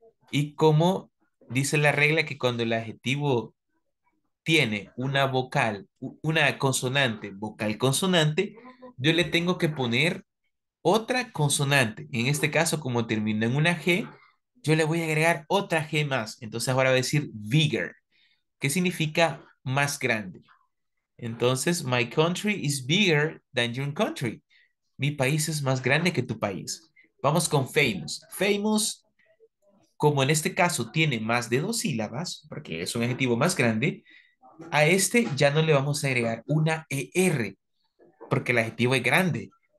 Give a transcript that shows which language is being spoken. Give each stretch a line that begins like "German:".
Spanish: Y como dice la regla, que cuando el adjetivo tiene una vocal, una consonante, vocal consonante, yo le tengo que poner otra consonante. En este caso, como termina en una G, yo le voy a agregar otra G más. Entonces ahora va a decir bigger, que significa más grande.
English: Entonces, my country is bigger than your country.
Spanish: Mi país es más grande que tu país. Vamos con famous. Famous, como en este caso tiene más de dos sílabas, porque es un adjetivo más grande, a este ya no le vamos a agregar una ER, porque el adjetivo es grande.